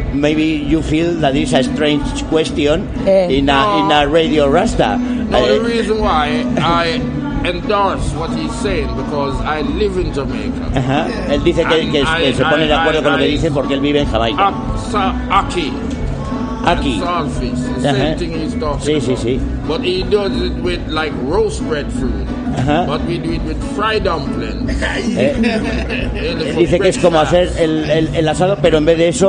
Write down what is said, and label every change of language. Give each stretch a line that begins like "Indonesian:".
English: maybe you feel that is a strange question in a radio rasta. No, the reason why I endorse what he's saying because I live in Jamaica. Uh-huh.
Spanish: Él dice que se pone de acuerdo con lo que dice porque él vive en Jamaica.
English: Aki. Swordfish. Uh-huh. Same thing he's talking about.
Spanish: Sí.
English: But he does it with like roast breadfruit. Uh-huh. But we do it with fried dumplings.
Spanish: Dice que es como hacer el asado, pero en vez de eso,